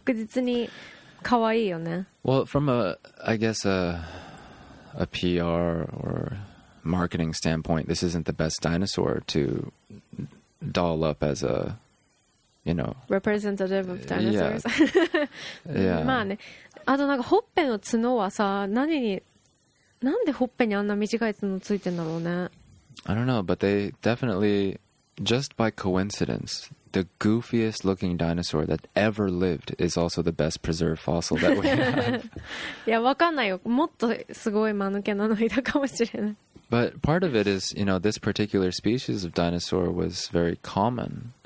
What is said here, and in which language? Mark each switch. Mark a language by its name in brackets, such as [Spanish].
[Japanese] でしかもなんかちっちゃいじゃん。だからなんか七面鳥サイズでこんなのがなんかひょこひょこ歩いてたら確実に可愛いよね。 [English] Well, from a PR or marketing standpoint, this isn't the best dinosaur to doll up as a, you know, representative of dinosaurs. Yeah. [Japanese] まあね。あとなんかほっぺの角はさ、何に、なんでほっぺにあんな短い角ついてんだろうね。 [English] I don't know, but they definitely, just by coincidence, the goofiest looking dinosaur that ever lived is also the best preserved fossil that we have. [Japanese] いや、わかんないよ。もっとすごい間抜けなのいたかもしれない。 [English] But part of it is, you know, this particular species of dinosaur was very common.